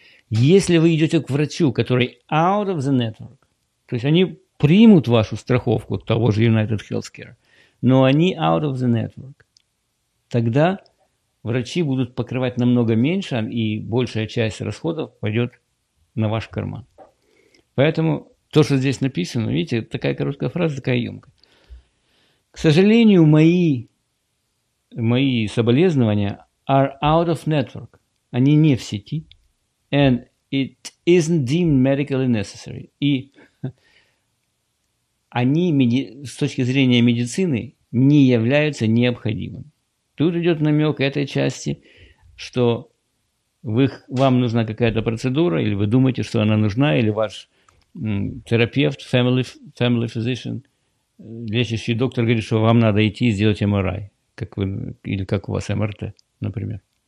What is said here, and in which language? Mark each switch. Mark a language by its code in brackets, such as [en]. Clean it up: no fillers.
[ru] Если вы идете к врачу, который [en] out of the network, [ru] то есть они примут вашу страховку того же United Healthcare, но они out of the network, тогда врачи будут покрывать намного меньше, и большая часть расходов пойдет на ваш карман. Поэтому то, что здесь написано, видите, такая короткая фраза, такая емкая. К сожалению, мои соболезнования [en] are out of network. [ru] Они не в сети. [en] And it isn't deemed medically necessary. [ru] И они с точки зрения медицины не являются необходимыми. Тут идет намек этой части, что вам нужна какая-то процедура, или вы думаете, что она нужна, или ваш терапевт, [en] family physician, [ru] лечащий доктор, говорит, что вам надо идти и сделать MRI, как у вас МРТ, например.